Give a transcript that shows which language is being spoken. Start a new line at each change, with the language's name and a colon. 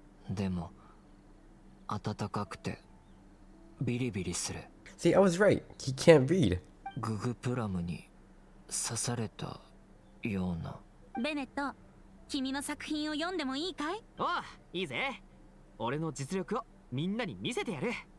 Japanese: でも、暖かくて、ビリビリする。
English: See, I was right. He can't read.
Japanese: ググプラムに刺されたような。ベネット、君の作品を読んでもいいかい？おう、いいぜ。俺の実力をみんなに見せてやる。